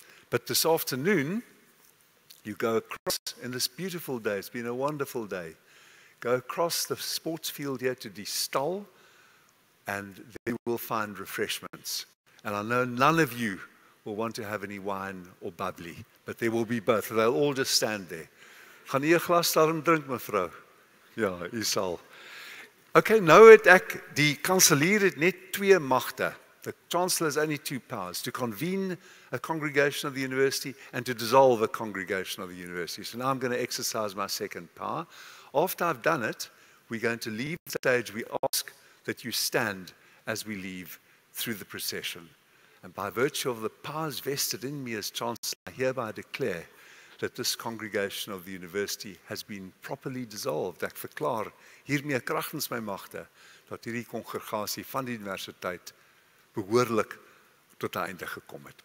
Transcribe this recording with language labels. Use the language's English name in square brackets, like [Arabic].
[English] But this afternoon, you go across, in this beautiful day, it's been a wonderful day, go across the sports field here to Die Stal, and there you will find refreshments. And I know none of you will want to have any wine or bubbly, but there will be both. They'll all just stand there. [Afrikaans] Gaan jy 'n glas daarom drink, mevrou? Ja, jy sal. Okay, nou het ek, die kanselier het net twee magte. [English] The chancellor has only two powers, to convene a congregation of the university and to dissolve a congregation of the university. So now I'm going to exercise my second power. After I've done it, we're going to leave the stage. We ask that you stand as we leave through the procession. And by virtue of the powers vested in me as chancellor, I hereby declare that this congregation of the university has been properly dissolved. [Afrikaans] Ek verklaar hiermee kragtens my magte dat hierdie kongregasie van die universiteit behoorlik tot 'n einde gekom het.